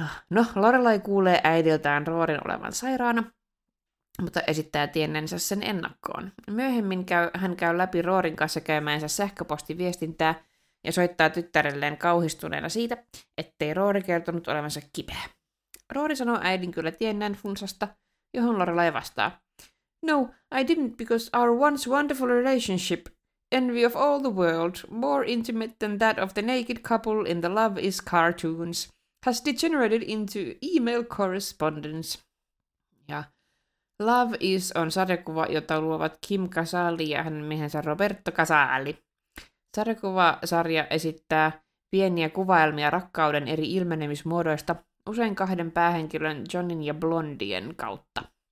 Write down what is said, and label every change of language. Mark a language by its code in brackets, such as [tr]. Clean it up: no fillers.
[fi] No, Lorelai kuulee äidiltään Roorin olevan sairaana, mutta esittää tienneensä sen ennakkoon. Myöhemmin hän käy läpi Roorin kanssa käymäänsä sähköpostiviestintää ja soittaa tyttärelleen kauhistuneena siitä, ettei Roori kertonut olevansa kipeä. Roori sanoo äidin kyllä tienneen funsasta, johon Lorelai vastaa. [en] No, I didn't because our once wonderful relationship, envy of all the world, more intimate than that of the naked couple in the Love is cartoons, has degenerated into email correspondence. [fi] Ja Love is on sarjakuva, jota luovat Kim Casali ja hänen miehensä Roberto Casali. Sarjakuvasarja esittää pieniä kuvaelmia rakkauden eri ilmenemismuodoista, usein kahden päähenkilön Johnin ja Blondien kautta.